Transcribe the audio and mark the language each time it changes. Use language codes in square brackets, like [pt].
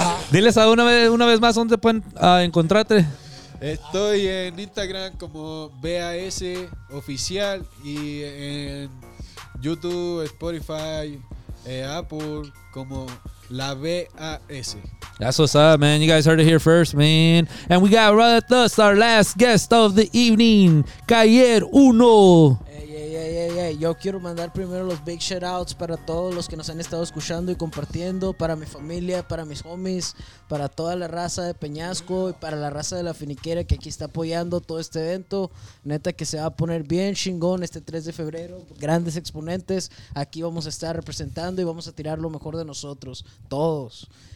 [es] Diles a una vez más dónde pueden encontrarte. Estoy en Instagram como B.A.S. Oficial y en YouTube, Spotify, Apple como La B.A.S. [en] That's what's up, man. You guys heard it here first, man. And we got with us our last guest of the evening, Kair Uno. Hey. [es] Yo quiero mandar primero los [en] big shout outs [es] para todos los que nos han estado escuchando y compartiendo, para mi familia, para mis homies, para toda la raza de Peñasco y para la raza de La Finiquera que aquí está apoyando todo este evento. Neta que se va a poner bien chingón este 3 de febrero, grandes exponentes, aquí vamos a estar representando y vamos a tirar lo mejor de nosotros, todos.